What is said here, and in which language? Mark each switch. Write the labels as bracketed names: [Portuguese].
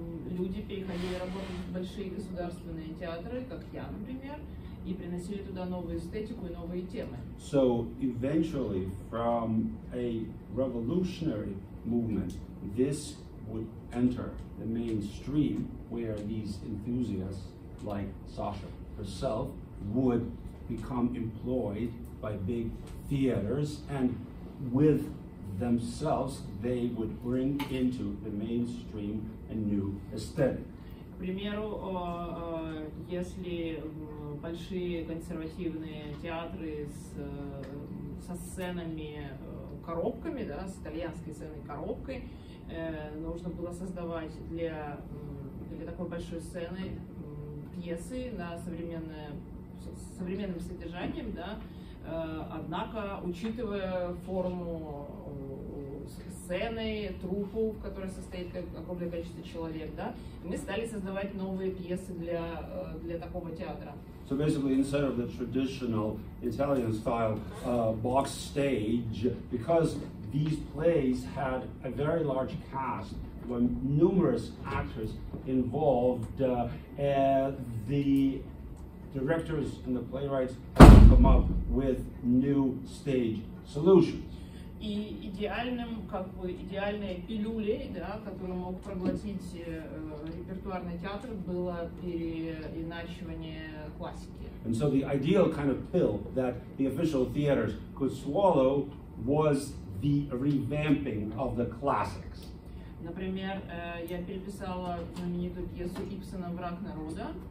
[Russian] Люди переходили работать в большие государственные театры, как я, например, и приносили туда новую эстетику и новые темы. [English] So eventually from a revolutionary movement, this would enter the mainstream, where these enthusiasts like Sasha herself would become employed by big theaters, and with themselves they would bring into the mainstream a new aesthetic. [Russian] К примеру, если большие консервативные театры со сценами коробками, да, с итальянской сценой коробкой, нужно было создавать для такой большой сцены пьесы на современным содержанием, да, однако учитывая форму сцены, труппу, в которой состоит огромное количество человек, да, мы стали создавать новые пьесы для такого театра. [English] So basically, instead of the traditional Italian style box stage, because these plays had a very large cast, were numerous actors involved, the directors and the playwrights had to come up with new stage solutions. [Russian] И идеальным, как бы, идеальной пилюлей, да, которую мог проглотить репертуарный театр, было переиначивание классики. [English] And so the ideal kind of pill that the official theaters could swallow was the revamping of the classics. [Russian] Например, я переписала знаменитую пьесу Ибсена «Враг народа».